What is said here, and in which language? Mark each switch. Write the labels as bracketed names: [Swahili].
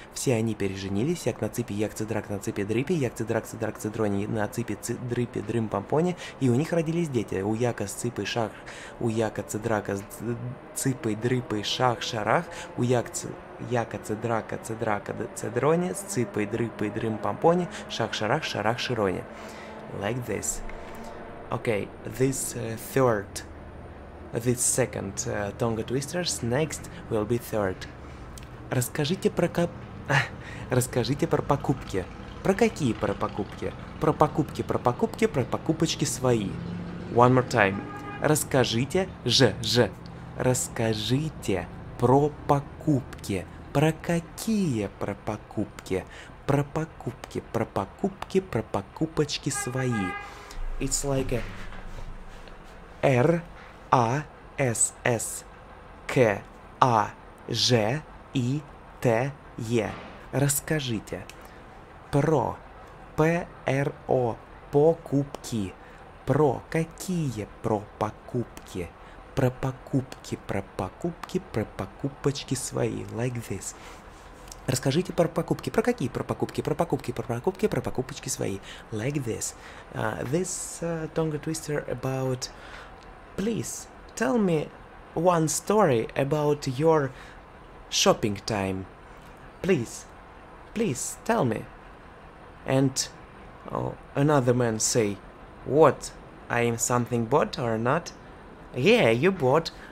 [Russian] Все они переженились, як на цыпе, як це драк, на цыпе, дрыпе, як це драк, це драк, це дроні, на цыпе, дрыпе, дрым-пампони. И у них родились дети. У яка с цыпой шах, у яка це драка с цыпой, дрыпой, шах-шарах, у як це... Яка це драка цедроні, з ципи дрипи дрим пампоні, шах шарах шарах широні. [English] Like this. Okay, this third, this second tongue twisters, next will be third. [Russian] Расскажите про расскажите про покупки. Про какие про покупки? Про покупки, про покупки, про покупочки свои. [English] One more time. [Russian] Расскажите ж. Расскажите про покупки. Про какие про покупки? Про покупки, про покупки, про покупочки свои. [English] It's like a R A S S K A J I T E. [Russian] Расскажите про P R O покупки. Про какие про покупки? Про покупки, про покупки, про покупочки свои. [English] Like this. [Russian] Расскажите про покупки. Про какие? Про покупки, про покупки, про покупки, про покупочки свои. [English] Like this. This tongue twister about... Please, tell me one story about your shopping time. Please, please, tell me. And another man say, what, I am something bought or not? Yeah, you bought.